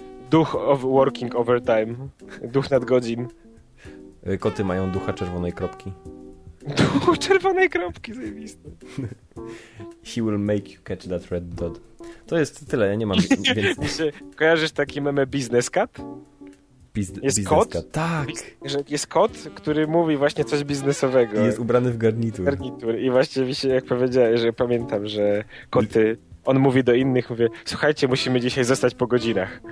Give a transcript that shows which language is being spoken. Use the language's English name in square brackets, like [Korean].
[English] Duch of working overtime. [Polish] Duch nadgodzin. Koty mają ducha czerwonej kropki. Duch czerwonej kropki, zajebiste. [English] He will make you catch that red dot. [Polish] To jest tyle, ja nie mam więcej. Kojarzysz taki meme Business Cat? Jest kot? Tak. Jest kot, który mówi właśnie coś biznesowego. I jest ubrany w garnitur. I właśnie mi się, jak powiedziałem, że pamiętam, że koty... On mówi do innych, mówię, słuchajcie, musimy dzisiaj zostać po godzinach.